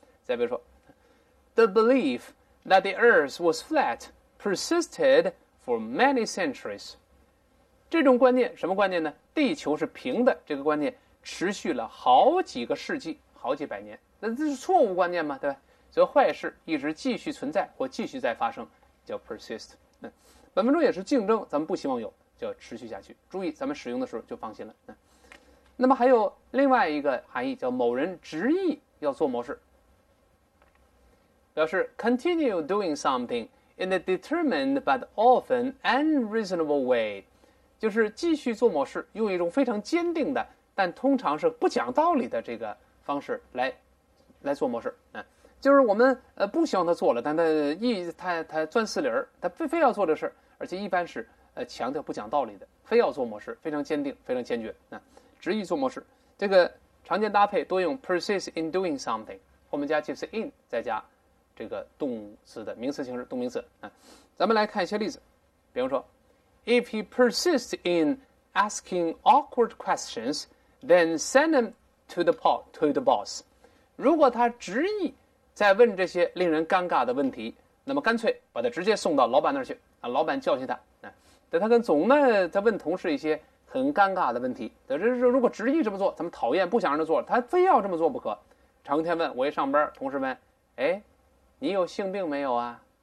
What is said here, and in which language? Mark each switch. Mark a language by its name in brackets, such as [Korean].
[Chinese] 再比如说， [English] the belief that the earth was flat persisted for many centuries。 [Chinese] 这种观念什么观念呢？地球是平的，这个观念持续了好几个世纪，好几百年。那这是错误观念嘛，对吧？所以坏事一直继续存在或继续在发生，叫 persist。本文中也是竞争，咱们不希望有，叫持续下去。注意，咱们使用的时候就放心了。那么还有另外一个含义，叫某人执意要做某事，表示 [English] continue doing something in a determined but often unreasonable way。 [Chinese] 就是继续做某事，用一种非常坚定的，但通常是不讲道理的这个方式来做某事。就是我们不希望他做了，但他钻刺里儿，他非要做这事，而且一般是强调不讲道理的，非要做某事，非常坚定，非常坚决。执意做某事，这个常见搭配多用 [English] persist in doing something， [Chinese] 后面加介词 in，再加这个动词的名词形式，动名词。咱们来看一些例子，比方说。 [English] If he persists in asking awkward questions, then send him to the boss。 [Chinese] 如果他执意在问这些令人尴尬的问题，那么干脆把他直接送到老板那儿去啊，老板教训他。等他跟总呢，他问同事一些很尴尬的问题。等这如果执意这么做，他们讨厌，不想让他做，他非要这么做不可。成天问我一上班，同事问，哎，你有性病没有啊？